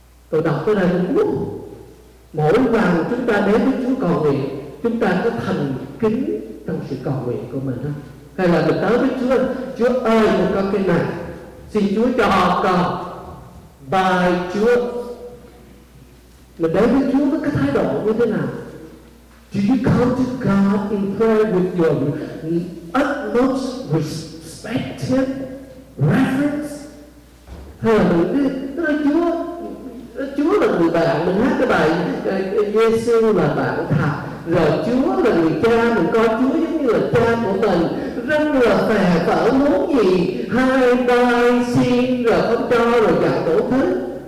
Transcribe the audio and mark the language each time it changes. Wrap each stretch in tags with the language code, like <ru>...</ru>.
<vi>Tôi đọc cái này đúng không? Mỗi lần chúng ta đến với Chúa cầu nguyện, chúng ta có thành kính trong sự cầu nguyện của mình không? Hay là mình tới với Chúa: Chúa ơi, con có cái này, xin Chúa cho con. Bài Chúa, mình đến với Chúa với cái thái độ như thế nào?</vi> <en>Do you come to God in prayer with your utmost respect, reverence?</en> <vi>Hay là mình nói: Chúa là người bạn, mình hát cái bài Giêsu là bạn thật, rồi Chúa là người cha, mình coi Chúa giống như là cha của mình, rất là phè phở muốn gì, hai tay xin rồi không cho rồi chẳng tổ thức.</vi>